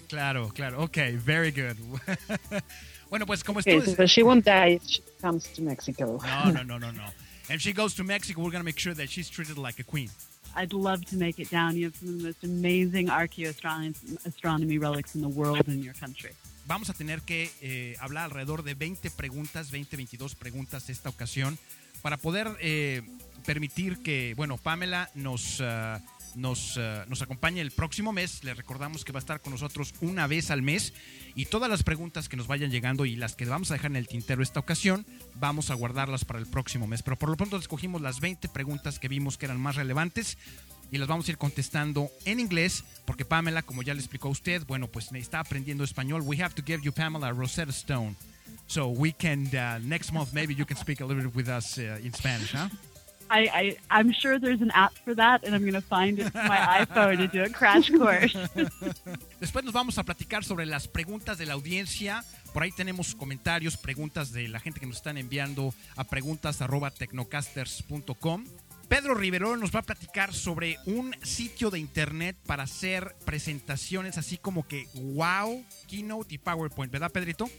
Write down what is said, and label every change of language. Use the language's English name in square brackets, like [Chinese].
[Spanish] Claro. [English] Okay, very good. [Spanish] Bueno, pues como estudiante. [English] Okay, so she won't die if she comes to Mexico. No. If she goes to Mexico, we're going to make sure that she's treated like a queen. I'd love to make it down. You have some of the most amazing archaeoastronomy relics in the world in your country. [Spanish] Vamos a tener que hablar alrededor de 22 preguntas esta ocasión para poder permitir que, bueno, Pamela nos acompañe el próximo mes. Le recordamos que va a estar con nosotros una vez al mes y todas las preguntas que nos vayan llegando y las que vamos a dejar en el tintero esta ocasión, vamos a guardarlas para el próximo mes. Pero por lo pronto escogimos las 20 preguntas que vimos que eran más relevantes y las vamos a ir contestando en inglés porque Pamela, como ya le explicó a usted, bueno, pues está aprendiendo español. [English] We have to give you, Pamela, a Rosetta Stone. So we can, next month, maybe you can speak a little bit with us in Spanish, huh? I'm sure there's an app for that, and I'm going to find it to my iPhone to do a crash course. [Spanish] Después nos vamos a platicar sobre las preguntas de la audiencia. Por ahí tenemos comentarios, preguntas de la gente que nos están enviando a preguntas@tecnocasters.com. Pedro Rivero nos va a platicar sobre un sitio de internet para hacer presentaciones así como que wow, keynote y PowerPoint, ¿verdad, Pedrito?